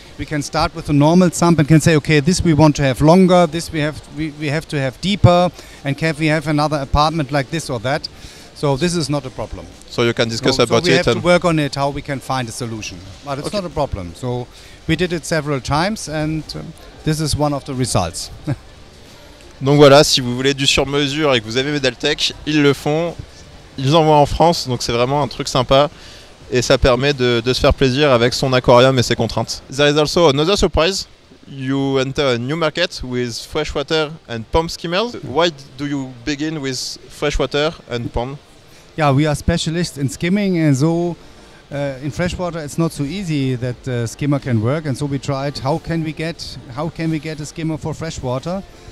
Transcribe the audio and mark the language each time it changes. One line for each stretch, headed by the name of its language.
English: We can start with a normal sump and can say, okay, this we want to have longer, this we have to have deeper, and can we have another apartment like this or that? So this is not a problem. So you can discuss about it. So we have to work on it, how we can find a solution. But it's not a problem. So we did it several times, and this is one of the results.
French: Donc voilà, si vous voulez du sur mesure et que vous avez Deltec, ils le font. Ils envoient en France, donc c'est vraiment un truc sympa. Et ça permet de se faire plaisir avec son aquarium et ses contraintes.
English: There is also another surprise. You enter a new market with freshwater and pond skimmers. Why do you begin with freshwater and pond? Yeah, we are specialists in skimming, and so in freshwater it's not so easy that the skimmer can work, and so we tried how can we get a skimmer for freshwater.